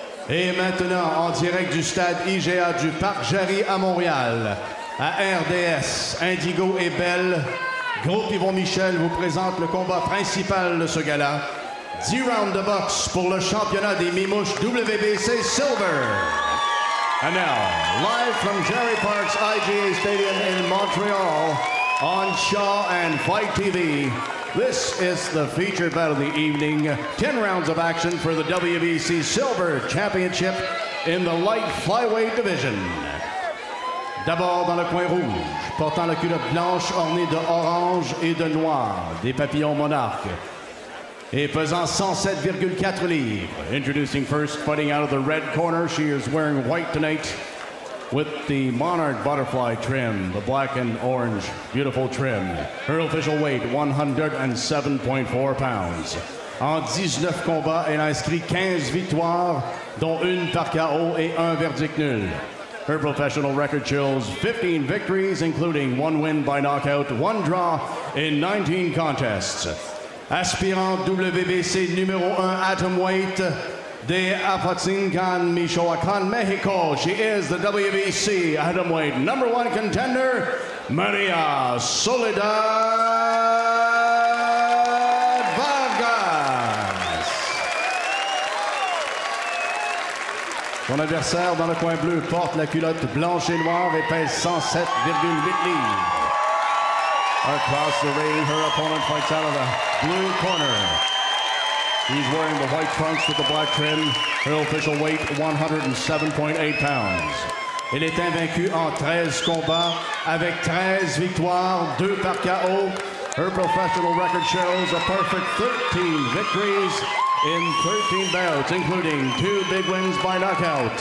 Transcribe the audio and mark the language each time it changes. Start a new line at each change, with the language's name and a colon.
French: Et maintenant, en direct du stade IGA du Parc Jarry à Montréal, à RDS, Indigo et Bell, groupe Yvon Michel vous présente le combat principal de ce gala. 10 rounds de boxe pour le championnat des Mimouches WBC Silver.
English: And now, live from Jarry Park's IGA Stadium in Montreal, on Shaw and Fight TV, this is the featured battle of the evening. 10 rounds of action for the WBC Silver Championship in the light flyweight division.
French: D'abord dans le coin rouge, portant la culotte blanche ornée de orange et de noir, des papillons monarques. Et pesant 107,4 livres.
English: Introducing first, fighting out of the red corner. She is wearing white tonight with the monarch butterfly trim, the black and orange beautiful trim. Her official weight, 107.4 pounds.
French: En 19 combats, elle a inscrit 15 victoires, dont une par KO et un verdict nul.
English: Her professional record shows 15 victories, including one win by knockout, one draw in 19 contests.
French: Aspirant WBC numéro 1 atomweight de Apatzingan Michoacán, Mexico.
English: She is the WBC atomweight number 1 contender, Maria Soledad Vargas.
French: Son adversaire dans le coin bleu porte la culotte blanche et noire et pèse 107,8 livres.
English: Across the ring, her opponent fights out of the blue corner. He's wearing the white trunks with the black trim. Her official weight, 107.8 pounds.
French: Elle est invaincue en 13 combats, avec 13 victoires, 2 par KO,
English: Her professional record shows a perfect 13 victories in 13 bouts, including two big wins by knockout.